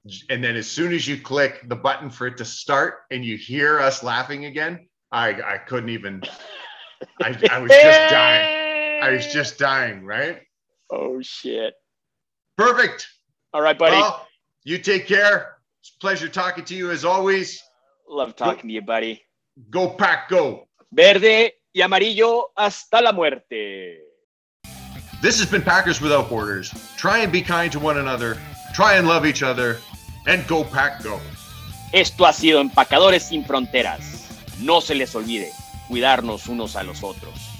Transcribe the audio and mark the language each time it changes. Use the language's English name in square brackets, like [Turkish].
[English] And then as soon as you click the button for it to start and you hear us laughing again, I couldn't even, I was just dying. I was just dying, right? Oh, shit. Perfect. All right, buddy. Well, you take care. It's a pleasure talking to you as always. Love talking to you, buddy. Go Pack, go. [Spanish] Verde y amarillo hasta la muerte. [English] This has been Packers Without Borders. Try and be kind to one another. Try and love each other. And go Pack, go. [Spanish] Esto ha sido Empacadores Sin Fronteras. No se les olvide cuidarnos unos a los otros.